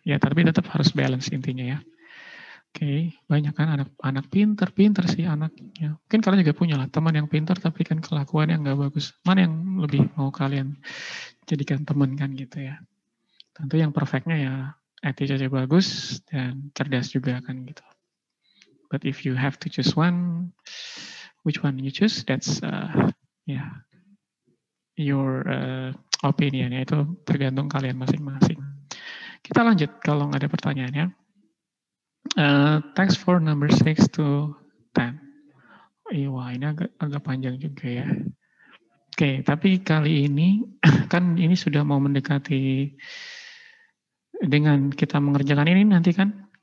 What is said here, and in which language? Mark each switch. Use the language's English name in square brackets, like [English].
[Indonesian] Ya, tapi tetap harus balance intinya ya. Oke, banyak kan anak-anak pinter-pinter sih anaknya. Mungkin kalian juga punya lah teman yang pinter tapi kan kelakuannya nggak bagus. Mana yang lebih mau kalian jadikan teman kan gitu ya. Tentu yang perfectnya ya attitude-nya bagus dan cerdas juga kan gitu. [English] But if you have to choose one, which one you choose, that's your opinion ya, [Indonesian] itu tergantung kalian masing-masing. Kita lanjut kalau nggak ada pertanyaan ya. [English] Thanks for number 6 to 10. [Indonesian] Wah, ini agak panjang juga ya. Okay, tapi kali ini kan ini sudah mau mendekati dengan kita mengerjakan ini nanti kan.